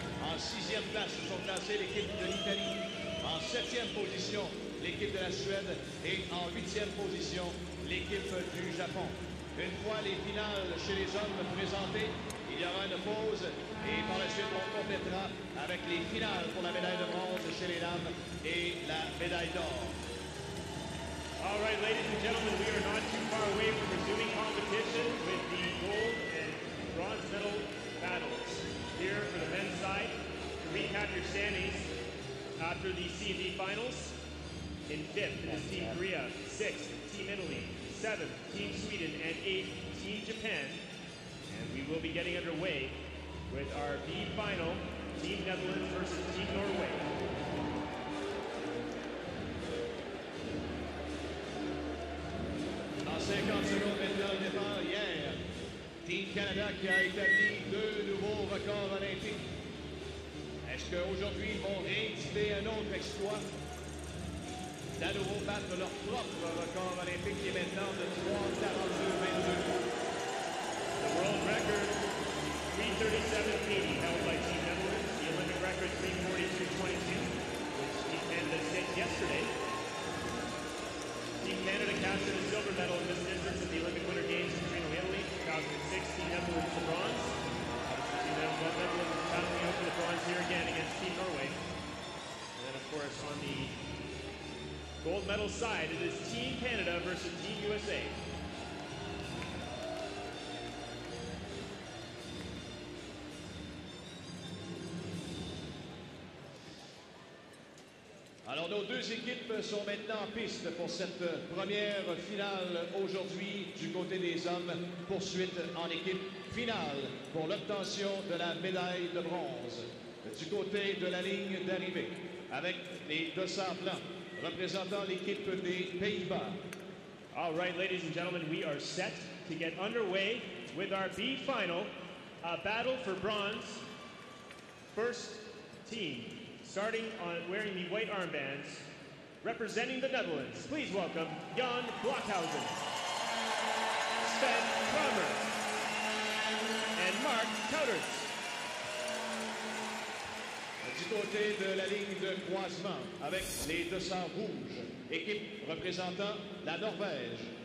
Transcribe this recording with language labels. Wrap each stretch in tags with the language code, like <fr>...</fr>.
<fr>En sixième place se sont classés l'équipe de l'Italie. En septième position, l'équipe de la Suède. Et en huitième position, l'équipe du Japon. Une fois les finales chez les hommes présentées, il y aura une pause et par la suite, on complétera avec les finales pour la médaille de bronze chez les dames et la médaille d'or.</fr> <en>All right, ladies and gentlemen, we are not too far away from resuming competition with the gold and bronze medal battles here for the men's side. To recap your standings after the C&D finals, in fifth is Team Korea, sixth Team Italy, seventh Team Sweden, and eighth Team Japan. And we will be getting underway with our B final, Team Netherlands versus Team Norway.</en> <fr>En 50 secondes maintenant, le départ hier, Team Canada qui a établi deux nouveaux records olympiques. Est-ce qu'aujourd'hui ils vont réitérer un autre exploit d'à nouveau battre leur propre record olympique qui est maintenant de 3:42.22?</fr> <en>World record 3:37.80 held by Team Netherlands, the Olympic record 3:42.22, which Team Canada set yesterday. Team Canada captured a silver medal in this distance at the Olympic Winter Games in Torino, Italy, 2006, Team Netherlands the bronze. Obviously, Team Netherlands battling out for the bronze here again against Team Norway. And then, of course, on the gold medal side, it is Team Canada versus Team USA.</en> <fr>Alors, nos deux équipes sont maintenant en piste pour cette première finale aujourd'hui du côté des hommes. Poursuite en équipe finale pour l'obtention de la médaille de bronze. Du côté de la ligne d'arrivée, avec les dossards blancs représentant l'équipe des Pays-Bas.</fr> <en>All right, ladies and gentlemen, we are set to get underway with our B final, a battle for bronze, first team. Starting on wearing the white armbands, representing the Netherlands, please welcome Jan Blokhuizen, Sven Kramer, and Mark Kouters.</en> <fr>Du côté de la ligne de croisement, avec les 200 rouges, équipe représentant la Norvège.</fr>